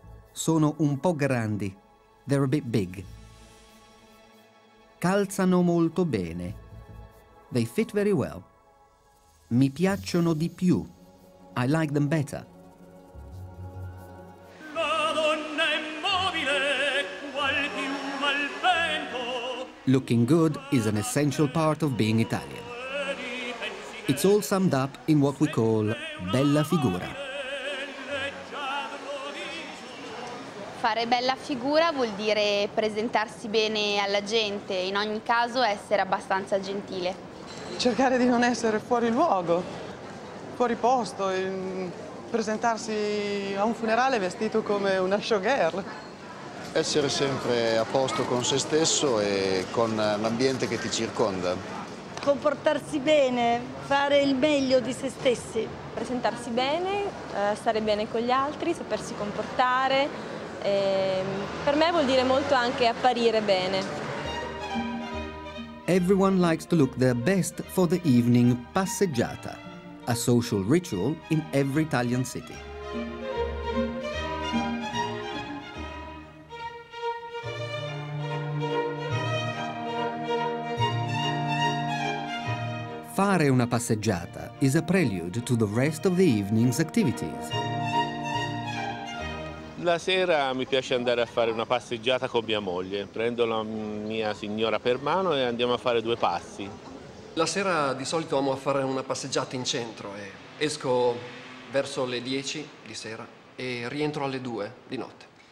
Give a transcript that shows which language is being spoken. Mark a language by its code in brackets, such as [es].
[it] Sono un po' grandi. [en] They're a bit big. [it] Calzano molto bene. [en] They fit very well. [it] Mi piacciono di più. [en] I like them better. [it] La donna è mobile, qual piuma al vento. [en] Looking good is an essential part of being Italian. It's all summed up in what we call bella figura. [it] Fare bella figura vuol dire presentarsi bene alla gente, in ogni caso essere abbastanza gentile. Cercare di non essere fuori luogo, fuori posto, presentarsi a un funerale vestito come una showgirl. Essere sempre a posto con se stesso e con l'ambiente che ti circonda. Comportarsi bene, fare il meglio di se stessi. Presentarsi bene, stare bene con gli altri, sapersi comportare. Per me vuol dire molto anche apparire bene. [en] Everyone likes to look their best for the evening passeggiata, a social ritual in every Italian city. [it] Fare una passeggiata [en] is a prelude to the rest of the evening's activities. [it] La sera mi piace andare a fare una passeggiata con mia moglie. Prendo la mia signora per mano e andiamo a fare due passi. La sera di solito amo a fare una passeggiata in centro e esco verso le 10 di sera e rientro alle 2 di notte.